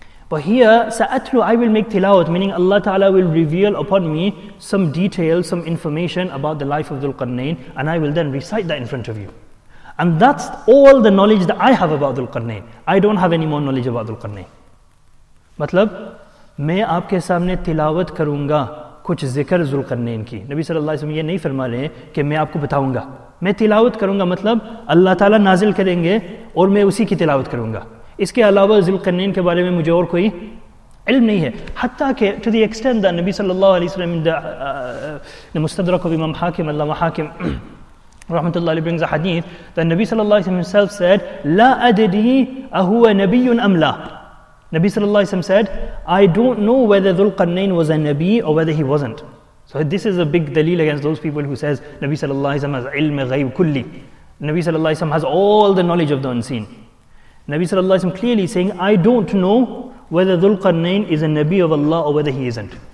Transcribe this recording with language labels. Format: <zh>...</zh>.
<en>But here, سَأَتْلُ, I will make tilawat, meaning Allah Ta'ala will reveal upon me some details, some information about the life of ذُلْ قَرْنَيْنِ, and I will then recite that in front of you. And that's all the knowledge that I have about ذُلْ قَرْنَيْنِ. I don't have any more knowledge about ذُلْ قَرْنَيْنِ.</en> <ur>Matlab, میں آپ کے سامنے تلاوت کروں گا کچھ ذکر ذو القرنین کی. نبی صلی اللہ علیہ وسلم یہ نہیں فرما رہے ہیں کہ میں آپ کو بتاؤں گا. میں تلاوت کروں گا مطلب اللہ تعالیٰ نازل کریں گے اور میں اسی کی تلاوت کروں گا. اس کے علاوہ ذو القرنین کے بارے میں مجھے اور کوئی علم نہیں ہے.</ur> <en>حتیٰ کہ to the extent that نبی صلی اللہ علیہ وسلم the مستدرک امام حاکم اللہ حاکم رحمت اللہ علیہ brings a حدیث that نبی صلی اللہ علیہ وسلم himself said</en> <ar>لا أدري أهو نبي أم لا.</ar> <en>Nabi sallallahu alayhi wa sallam said, I don't know whether ذُلْ قَرْنَيْنِ was a Nabi or whether he wasn't. So this is a big dalil against those people who says Nabi sallallahu alayhi wa sallam has ilm ghayb kulli. Nabi sallallahu alayhi wa sallam has all the knowledge of the unseen. Nabi sallallahu alayhi wa sallam clearly saying, I don't know whether ذُلْ قَرْنَيْنِ is a Nabi of Allah or whether he isn't.</en>